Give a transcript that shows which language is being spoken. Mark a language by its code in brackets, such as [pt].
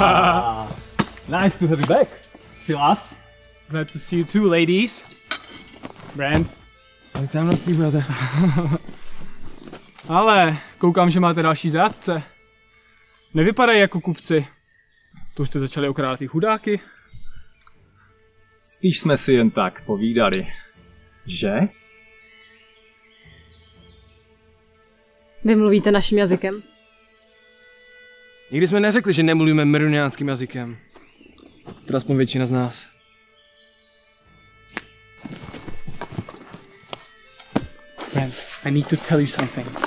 [en] Ah, nice to have you back, Filas. Glad to see you too, ladies. Brand. Long time no see, brother. [cs] Ale koukám, že máte další zátce. Nevypadají jako kupci. To už jste začali okrádat ty chudáky. Spíš jsme si jen tak povídali, že? Vy mluvíte naším jazykem. Nikdy jsme neřekli, že nemluvíme meruniánským jazykem. Teda aspoň většina z nás. [en] Friend, I need to tell you something.